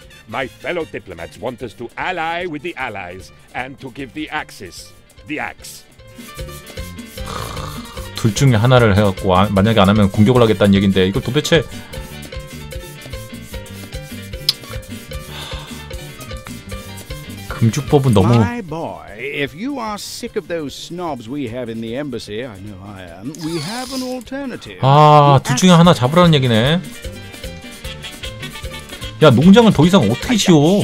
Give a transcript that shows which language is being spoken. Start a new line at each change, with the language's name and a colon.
English: My fellow diplomats want us to ally with the allies and to give the axis the axe.
Korean: 둘 중에 하나를 해갖고 만약에 안 하면 공격을 하겠다는 얘긴데 이거 도대체. 금주법은 너무.
English: My boy, if you are sick of those snobs we have in the embassy, I know I am. We have an alternative.
Korean: 아, 둘 중에 하나 잡으라는 얘기네. 야, 농장을 더 이상 어떻게 지어?